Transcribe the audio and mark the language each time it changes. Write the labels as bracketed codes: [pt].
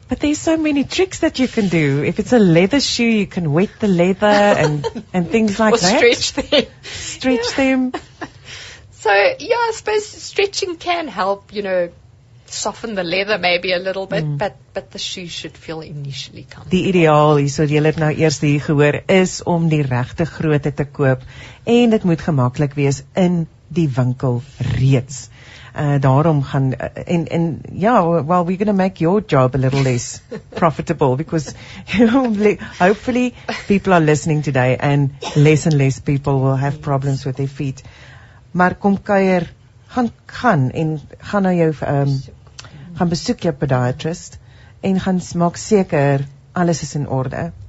[en] But there's so many tricks that you can do. If it's a leather shoe, you can wet the leather and things like that. Or stretch them. Stretch them. So, yeah, I suppose stretching can help, you know, soften the leather maybe a little bit, but the shoe should feel initially comfortable. [af] Die ideaal is, so jy het nou eers hier gehoor, is om die regte grootte te koop, en dit moet gemaklik wees in die winkel reeds. Daarom gaan, [en] we're going to make your job a little less profitable, because hopefully people are listening today, and less people will have problems with their feet. [af] Maar kom kuier, gaan en gaan na jou gaan besoek jou podiatrist en gaan maak seker alles is in orde.